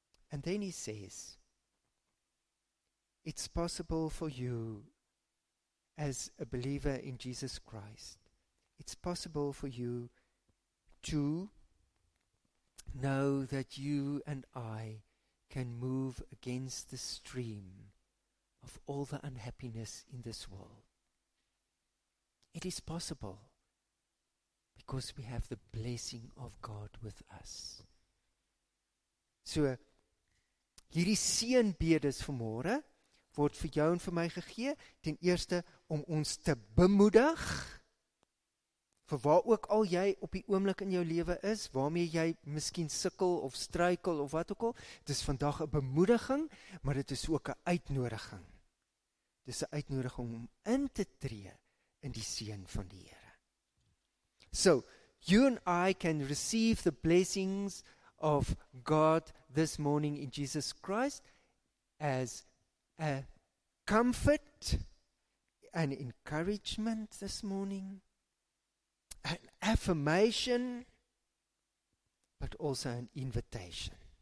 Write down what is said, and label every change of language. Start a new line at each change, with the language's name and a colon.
English: And then he says, it's possible for you as a believer in Jesus Christ, it's possible for you to know that you and I can move against the stream of all the unhappiness in this world. It is possible because we have the blessing of God with us.
Afrikaans: So, hierdie seënbedes vanmôre word vir jou en vir my gegee, ten eerste om ons te bemoedig, vir waar ook al jy op die oomblik in jou lewe is, waarmee jy miskien sukkel of struikel of wat ook al, dit is vandag 'n bemoediging, maar dit is ook 'n uitnodiging. Dit is 'n uitnodiging om in te tree in die seën van die Here.
English: So, you and I can receive the blessings of God this morning in Jesus Christ as a comfort and encouragement this morning, an affirmation, but also an invitation.